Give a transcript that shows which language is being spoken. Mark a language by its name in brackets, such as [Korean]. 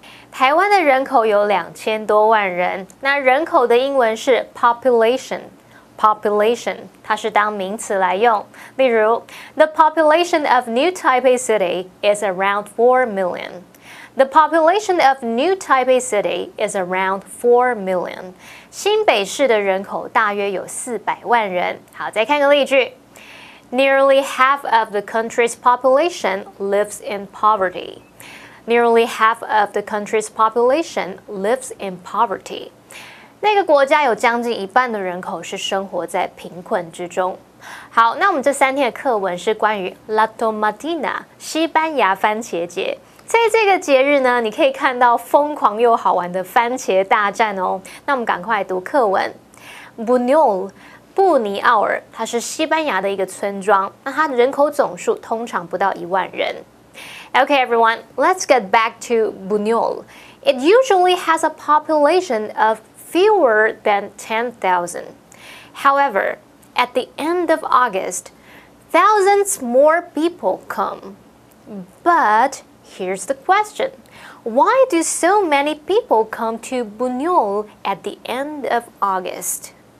[Chinese] 台湾的人口有两千多万人，那人口的英文是 population。 Population, 它是当名词来用。例如 [English] ,the population of New Taipei City is around 4 million. The population of New Taipei City is around 4 million. [Chinese] 新北市的人口大约有400万人。好，再看个例句。 [English] Nearly half of the country's population lives in poverty. Nearly half of the country's population lives in poverty. [Chinese] 那个国家有将近一半的人口是生活在贫困之中。好，那我们这三天的课文是关于 La Tomatina 西班牙番茄节。在这个节日呢，你可以看到疯狂又好玩的番茄大战哦。那我们赶快来读课文。Buñol 布尼奥尔，它是西班牙的一个村庄，那它的人口总数通常不到一万人。 [English] Okay, everyone, let's get back to Buñol. It usually has a population of fewer than 10,000. However, at the end of August, thousands more people come. But here's the question. Why do so many people come to Buñol at the end of August?